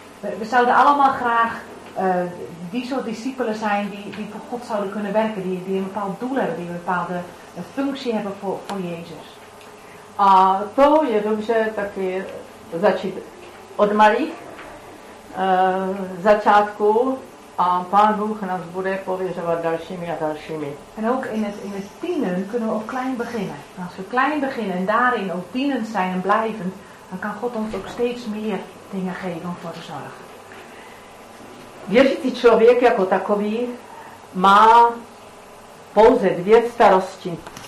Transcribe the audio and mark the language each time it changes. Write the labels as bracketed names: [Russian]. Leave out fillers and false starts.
[Dutch] We zouden allemaal graag die soort discipelen zijn die voor God zouden kunnen werken, die een bepaald doel hebben, die een bepaalde functie hebben voor Jezus. [Czech] A to je dobře taky začít od malých. začátku a Pán Bůh nás bude pověřovat dalšími a dalšími. [Dutch] En ook in het tienen kunnen we ook klein beginnen. Als we klein beginnen en daarin ook tienen zijn en blijven, dan kan God ons ook steeds meer dingen geven voor de zorg. [Czech] Věřící člověk jako takový má pouze dvě starosti.